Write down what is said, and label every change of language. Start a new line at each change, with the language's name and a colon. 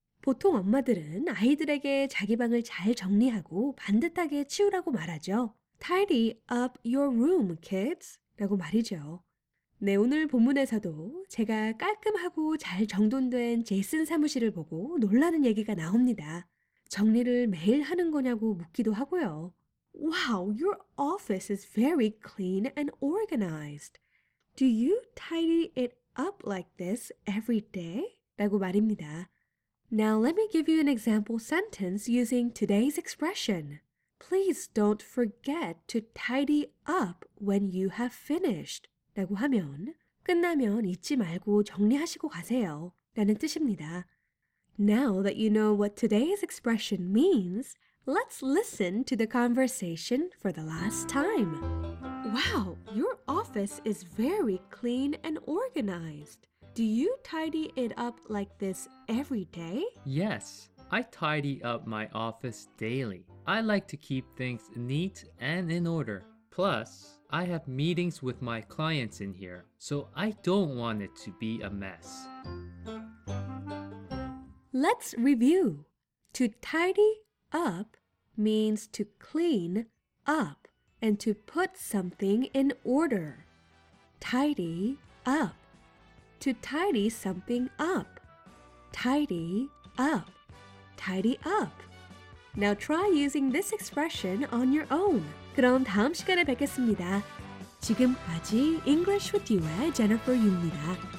Korean: 보통 엄마들은 아이들에게 자기 방을 잘 정리하고 반듯하게 치우라고 말하죠.
English: Tidy up your room, kids,
Korean: 라고 말이죠. 네, 오늘 본문에서도 제가 깔끔하고 잘 정돈된 제이슨 사무실을 보고 놀라는 얘기가 나옵니다. 정리를 매일 하는 거냐고 묻기도 하고요.
English: Wow, your office is very clean and organized. Do you tidy it up like this every day?
Korean: 라고 말입니다.
English: Now let me give you an example sentence using today's expression. Please don't forget to tidy up when you have finished.
Korean: 라고 하면 끝나면 잊지 말고 정리하시고 가세요. 라는 뜻입니다.
English: Now that you know what today's expression means, let's listen to the conversation for the last time. Wow, your office is very clean and organized. Do you tidy it up like this every day? Yes, I tidy up my office daily. I like to keep things neat and in order. Plus, I have meetings with my clients in here, so I don't want it to be a mess. Let's review. To tidy up means to clean up and to put something in order. Tidy up. To tidy something up. Tidy up. Tidy up. Now try using this expression on your own.
Korean: 그럼 다음 시간에 뵙겠습니다. 지금까지 English with You의 Jennifer Yu입니다.